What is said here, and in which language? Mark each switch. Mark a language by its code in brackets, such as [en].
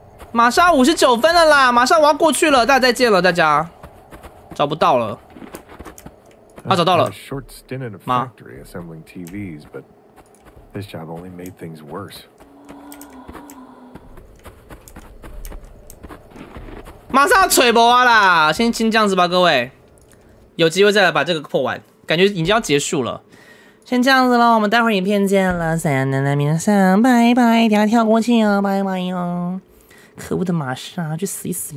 [zh] 马上59分了啦，马上我要过去了，大家再见了，大家。找不到了。啊，找到了。 [en] Short stint in a factory assembling TVs, but this job only made things worse. [zh] 马上要吹波啦，先这样子吧，各位。有机会再来把这个破完，感觉已经要结束了。先这样子了，我们待会儿影片见了，三奶奶明三，拜拜，等下跳过去哦，拜拜哦。可恶的玛莎，去死一死吧！